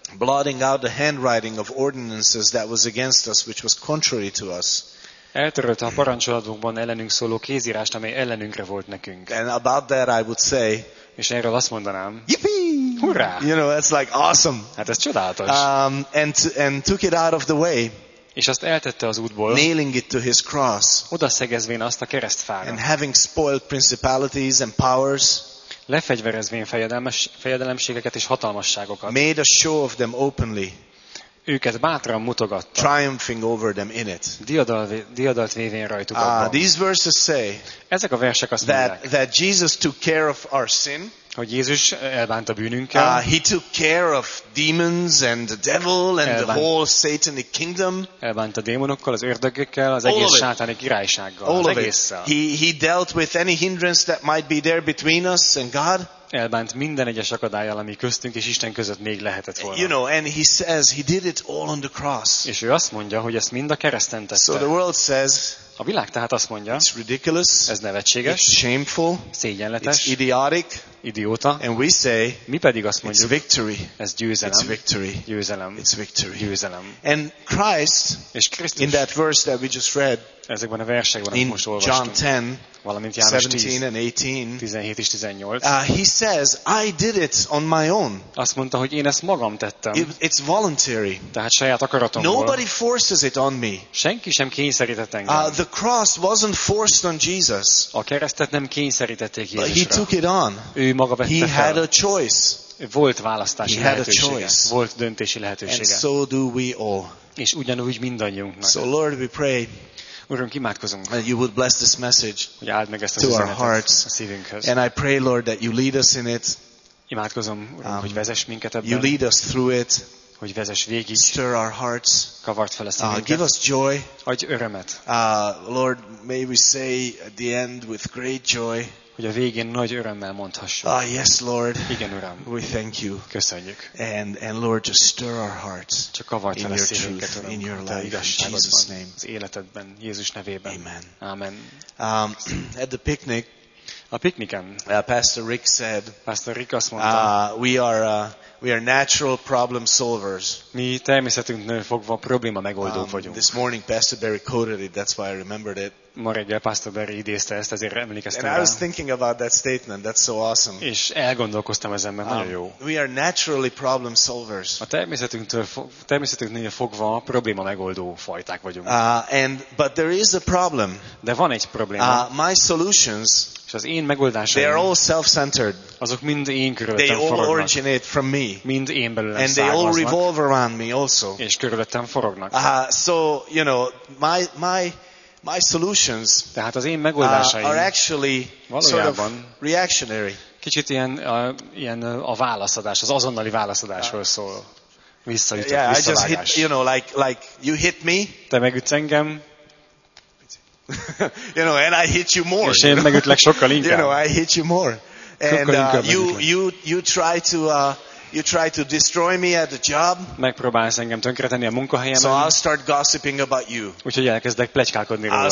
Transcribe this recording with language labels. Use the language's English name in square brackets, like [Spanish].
[English] Blotting out the handwriting of ordinances that was against us, which was contrary to us. [Hungarian] Eltörölte a parancsolatunkban ellenünk szóló kézírást, amely ellenünkre volt nekünk. [English] And about that I would say, [Hungarian] és erről azt mondanám, [English] yippee! [Hungarian] Hurrá! [English] You know, that's like awesome. [Hungarian] Hát ez csodálatos. [English] And took it out of the way. [Hungarian] És azt eltette az útból. [English] Nailing it to his cross. [Hungarian] Odaszegezvén azt a keresztfára. [English] And having spoiled principalities and powers. [Hungarian] Lefegyverezvén fejedelemségeket és hatalmasságokat. [English] Made a show of them openly. [Hungarian] Őket bátran mutogatta. [English] Triumphing over them in it. [Hungarian] Diadalt vévén rajtuk [English] abban. These verses say [Hungarian] ezek a versek azt [English] that, [Hungarian] mondják, [English] that Jesus took care of our sin. [Hungarian] Hogy Jézus elbánt a bűnünkkel. [English] He took care of demons and the devil and the whole satanic kingdom. [Hungarian] Elbánt a démonokkal, az ördögökkel, az egész sátáni királysággal. [English] All of it. He dealt with any hindrance that might be there between us and God. [Hungarian] elbánt minden egyes akadállyal, ami köztünk és Isten között még lehetett volna. [English] You know, and he says he did it all on the cross. [Hungarian] És ő azt mondja, hogy ezt mind a kereszten tette. [English] So the world says, [Hungarian] a világ tehát azt mondja, [English] it's ridiculous, [Hungarian] ez nevetséges, [English] it's shameful, [Hungarian] szégyenletes, [English] it's idiotic, [Hungarian] idióta, [English] and we say, [Hungarian] mi pedig azt mondjuk, [English] it's victory, [Hungarian] ez győzelem, [English] it's victory, [Hungarian] győzelem, [English] it's victory, [Hungarian] győzelem. [English] And Christ, [Hungarian] és Krisztus, [English] in that verse that we just read, [Hungarian] ezekben a versekben, amit most olvastunk, [English] John 10, [Hungarian] valamint János [English] 17 [Hungarian] 10, [English] and 18, [Hungarian] 17 és 18, [English] he says, I did it on my own. [Hungarian] Azt mondta, hogy én ezt magam tettem. [English] It's voluntary. [Hungarian] Tehát saját akaratomból. [English] Nobody forces it on me. [Hungarian] Senki sem kényszerített engem. [English] The cross wasn't forced on Jesus. [Hungarian] A keresztet nem kényszerítették Jézusra. [English] But he took it on. [Hungarian] Ő maga vette fel. [English] He had a choice. [Hungarian] Volt választási lehetősége. Volt döntési lehetősége. [English] And so do we all. [Hungarian] És ugyanúgy mindannyiunknak. [English] So Lord, we pray. [Hungarian] Urunk, imádkozunk, [English] that you would bless this message to our [Hungarian] üzenetet, [English] hearts, and I pray, Lord, that you lead us in it. [Hungarian] Imádkozom, Urunk, hogy vezess minket ebben. [English] You lead us through it. [Hungarian] Hogy vezess végig. [English] Stir our hearts. [Hungarian] Kavart fel a szívünket. [English] Give us joy. [Hungarian] Adj örömet. [English] Lord, may we say at the end with great joy. [Hungarian] Hogy a végén nagy örömmel mondhassuk. [English] Yes, Lord. [Hungarian] Igen, Uram. [English] We thank you. [Hungarian] Köszönjük. [English] And Lord, just stir our hearts. [Hungarian] Csak kavart fel a [English] your [Hungarian] szívünket, [English] truth, [Hungarian] Uram, [English] in your life, [Hungarian] igazságodban, [English] Jesus name. [Hungarian] Az életedben, Jézus nevében. [English] Amen. [Hungarian] Amen. [English] At the picnic, [Hungarian] a pikniken, [English] Pastor Rick said, [Hungarian] Pastor Rick azt mondta, [English] we are natural problem solvers. [Hungarian] Mi természetünknél fogva probléma megoldók vagyunk. [English] This morning Pastor Barry quoted it, that's why I remembered it. [Hungarian] Ma reggel Pastor Barry idézte ezt, ezért emlékeztem. [English] And I was thinking about that statement, that's so awesome. [Hungarian] És elgondolkoztam ezen, mert nagyon jó. [English] We are naturally problem solvers. [Hungarian] A természetünknél fogva probléma megoldó fajták vagyunk. [English] But there is a problem. [Hungarian] De van egy probléma. [English] My solutions, [Hungarian] és az én megoldásom, [English] they are all self-centered. [Hungarian] Azok mind én körülöttem forognak. [English] They all originate from me. [Hungarian] Mind én belőlem származnak. [English] And they all revolve around me also. [Hungarian] És körülöttem forognak. [English] So, you know, my solutions, [Hungarian] tehát az én megoldásaim, [English] are actually [Hungarian] valójában [English] sort of reactionary. [Hungarian] Kicsit ilyen a válaszadás, az azonnali válaszadásról szól. Visszajutott, [English] yeah, [Hungarian] visszavágás. [English] I just hit, you know, like you hit me. [Hungarian] Te megütsz engem. [English] You know, and I hit you more. [Hungarian] És én megütlek sokkal inkább. [English] You know, I hit you more. And you try to destroy me at the job. [Hungarian] Megpróbálsz engem tönkretenni a munkahelyemen. [English] So I'll start gossiping about you. [Hungarian] Úgyhogy elkezdek pletykálkodni rólad.